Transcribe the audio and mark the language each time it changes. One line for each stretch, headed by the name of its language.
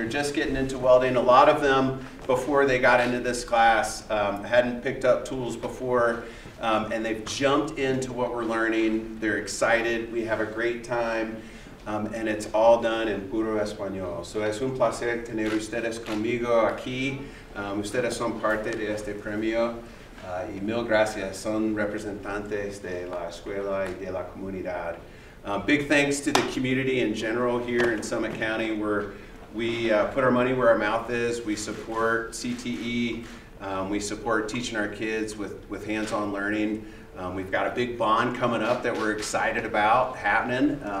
English: They're just getting into welding. A lot of them, before they got into this class, hadn't picked up tools before, and they've jumped into what we're learning. They're excited. We have a great time, and it's all done in
Spanish: puro español. So es un placer tener ustedes conmigo aquí. Ustedes son parte de este premio. Y mil gracias. Son representantes de la escuela y de la comunidad.
English: Big thanks to the community in general here in Summit County, where we put our money where our mouth is. We support CTE. We support teaching our kids with hands-on learning. We've got a big bond coming up that we're excited about happening.